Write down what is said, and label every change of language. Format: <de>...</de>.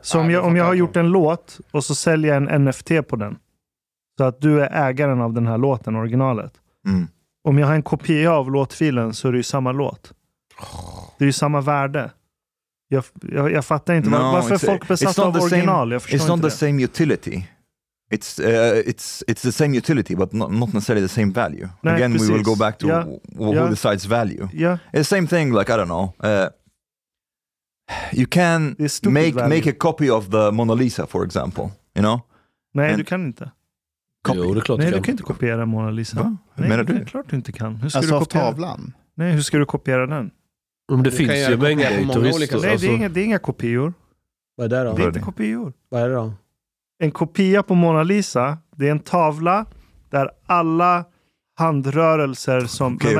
<sv>Så om jag har gjort en låt och så säljer jag en NFT på den, så att du är ägaren av den här låten, originalet. Mm. Om jag har en kopia av låtfilen så är det ju samma låt. Det är ju samma värde. Jag fattar inte varför folk besatt av original.</sv> <en>It's not the same utility. It's the same utility, but not necessarily the same value.</en> <sv>Nej,</sv> <en>again,</en> <sv>precis.</sv> <en>We will go back to who decides value. Yeah. It's the same thing, like, I don't know. You can make a copy of the Mona Lisa, for example. You know?</en> <sv>Nej, and du kan inte.</sv> <en>Copy.</en> <sv>Jo, det är klart. Nej, du kan inte kopiera Mona Lisa. Men det är klart du inte kan. Hur ska du kopiera tavlan? Nej, hur ska du kopiera den? Om det du finns ju många turister. Nej, det är inga kopior. Vad är det då? Det är inte kopior. Vad är det då? En kopia på Mona Lisa, det är en tavla där alla handrörelser som...</sv>